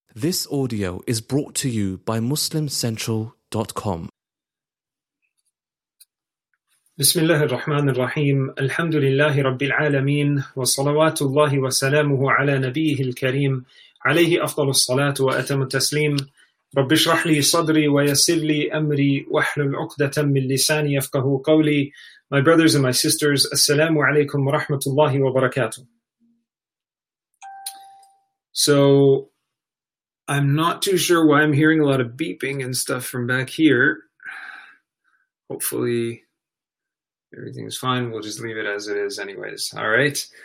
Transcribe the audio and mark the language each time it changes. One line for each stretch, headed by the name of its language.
English: This audio is brought to you by MuslimCentral.com.
Arabic: بسم الله الرحمن الرحيم الحمد لله رب العالمين وصلوات الله وسلامه على نبيه الكريم عليه أفضل الصلاة وأتم التسليم رب اشرح لي صدري ويسر لي أمري واحلل عقدة من لساني يفقه قولي.
English: My brothers and my sisters,
Arabic: السلام عليكم ورحمة الله وبركاته.
English: So I'm not too sure why I'm hearing a lot of beeping and stuff from back here. Hopefully everything's fine. We'll just leave it as it is anyways. All right.